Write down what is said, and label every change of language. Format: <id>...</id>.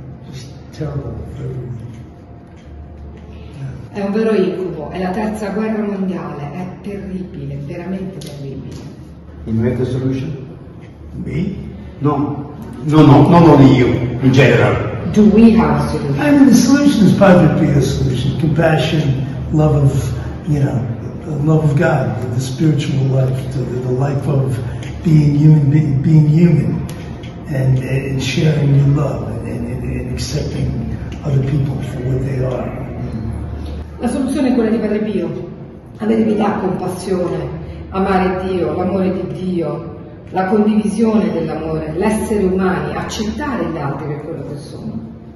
<en>Just terrible for everyone. Yeah.</en> <it>È un vero incubo, è la terza guerra mondiale, è terribile, veramente terribile.</it> <en>In make the solution? Me? No. No, not only you, in general. Do we have a solution? I mean, the solution is Padre Pio's solution. Compassion, love of, the love of God, the spiritual life, the life of being human, being human, and sharing your love and accepting other people for what they are.</en> <it>La soluzione è quella di Padre Pio. Avere vita, compassione, amare Dio, l'amore di Dio, la condivisione dell'amore, l'essere umani, accettare gli altri per quello che sono.</it>